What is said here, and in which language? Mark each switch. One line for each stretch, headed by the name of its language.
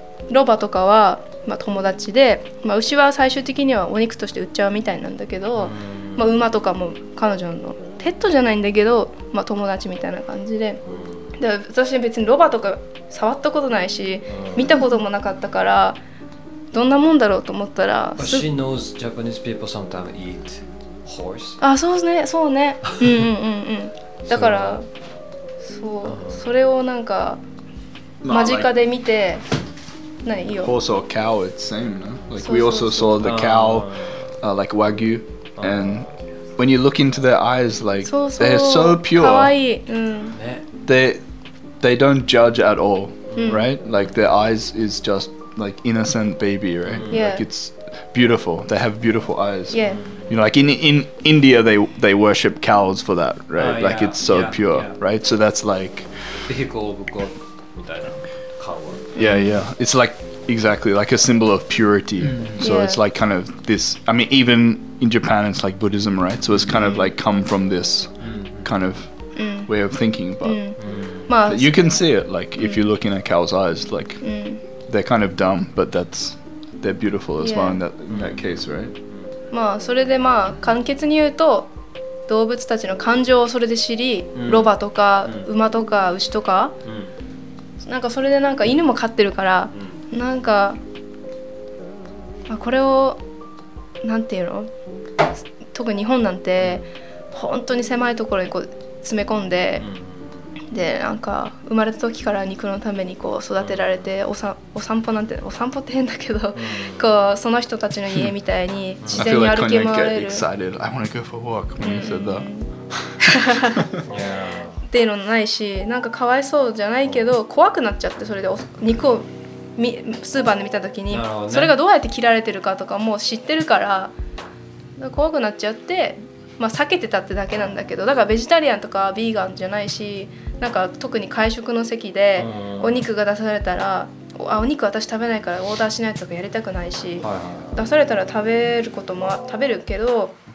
Japanese: ロバとかは、まあ、友達で、まあ、牛は最終的にはお肉として売っちゃうみたいなんだけど、うんまあ、馬とかも彼女のペットじゃないんだけど、まあ、友達みたいな感じで、うん私別にロバとか触ったことないし、見たこともなかったから、どんなもんだろうと思ったら、
English: She knows Japanese people sometimes eat horse.
Japanese: あ、そうね、そうね。うんうんうんうん。だから、そう、それをなんか間近で見て、まあ、ないよ。
English: Horse or cow, it's same, no? Like we also saw the cow, like wagyu, and when you look into their eyes, like they're so pure.
Japanese: かわいい。うん。
English: They don't judge at all, right? Like their eyes is just like innocent baby, right? Yeah. Like it's beautiful. They have beautiful eyes. Yeah. You know, like in India, they worship cows for that, right? Like yeah, it's so yeah, pure, yeah. right? So that's like vehicle of God,
Japanese: みたいな
English: cow. Yeah, yeah. It's like exactly like a symbol of purity. So yeah. it's like kind of this. I mean, even in Japan, it's like Buddhism, right? So it's kind of like come from this kind of. Way of thinking, but you can see it. Like if you look in a cow's eyes, like they're kind of dumb, but that's they're beautiful as well in that case, right?
Japanese: まあそれでまあ簡潔に言うと動物たちの感情をそれで知り、ロバとか馬とか牛とか、なんかそれでなんか犬も飼ってるから、なんか、まあ、これをなんていうの？特に日本なんて本当に狭いところにこう詰め込んで、でなんか生まれた時から肉のためにこう育てられて、お散歩なんてお散歩って変だけど、こうその人たちの家みたいに自然に歩き回れる。
English: I feel like when I get excited, I want to go for a walk when you said that.
Japanese: っていうのないし、なんかかわいそうじゃないけど怖くなっちゃってそれで肉をスーパーで見た時に、それがどうやって切られてるかとかもう知ってるから怖くなっちゃって。まあ避けてたってだけなんだけど、だからベジタリアンとかビーガンじゃないし、なんか特に会食の席でお肉が出されたら、あ、お肉私食べないからオーダーしないとかやりたくないし、はいはいはい、出されたら食べることも食べるけど、